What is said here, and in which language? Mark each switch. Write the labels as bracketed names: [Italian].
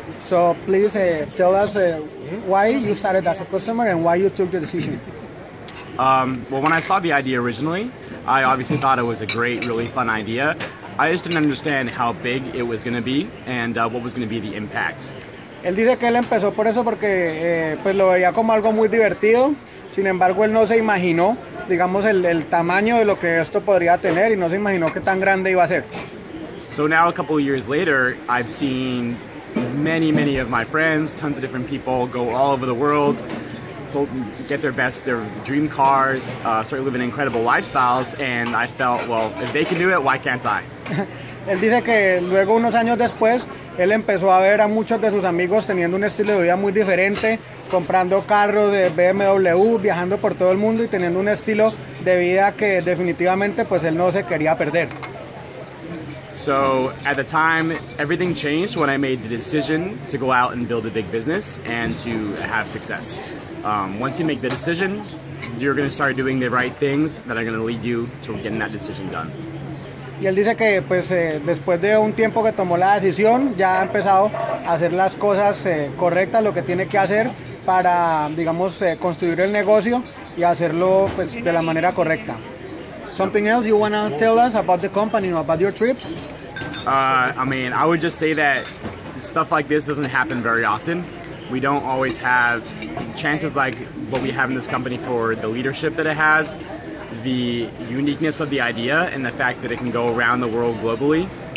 [English] So please tell us why you started as a customer and why you took the decision. Well, when I saw the idea originally, I obviously thought it was a great, really fun idea. I just didn't understand how big it was going to be and what was going to be the impact. [Spanish] Él dice que él empezó por eso porque pues lo veía como algo muy divertido. Sin embargo, él no se imaginó, digamos, el tamaño de lo que esto podría tener y no se imaginó qué tan grande iba a ser. [English] So now a couple of years later, I've seen many of my friends, tons of different people go all over the world, get their dream cars, start living incredible lifestyles, and I felt, well, if they can do it, why can't I? [Spanish] Él dice que luego, unos años después, él empezó a ver a muchos de sus amigos teniendo un estilo de vida muy diferente, comprando carros de BMW, viajando por todo el mundo y teniendo un estilo de vida que definitivamente pues él no se quería perder. [English] So at the time, everything changed when I made the decision to go out and build a big business and to have success. Once you make the decision, you're going to start doing the right things that are going to lead you to getting that decision done. [Spanish] Y él dice que pues después de un tiempo que tomó la decisión, ya ha empezado a hacer las cosas correctas, lo que tiene que hacer para, digamos, construir el negocio y hacerlo pues de la manera correcta. [English] Something else you want to tell us about the company or about your trips? I would just say that stuff like this doesn't happen very often. We don't always have chances like what we have in this company for the leadership that it has, the uniqueness of the idea, and the fact that it can go around the world globally.